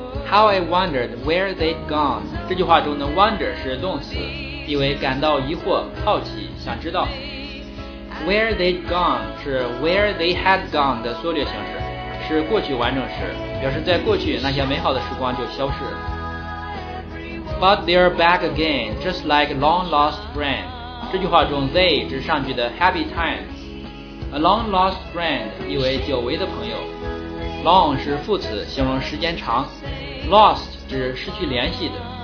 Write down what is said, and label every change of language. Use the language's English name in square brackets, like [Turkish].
[English] How I wondered where they'd gone [Chinese] 这句话中的 wonder 是动词，意为感到疑惑、好奇、想知道。 Where they'd gone 是 where they had gone 的缩略形式，是过去完整时，表示在过去那些美好的时光就消失了。 [English] But they're back again, just like a long-lost friend. [Chinese] 这句话中 they 指上句的 happy times. A long-lost friend 意为久违的朋友。 Long 是副词，形容时间长。Lost 指失去联系的。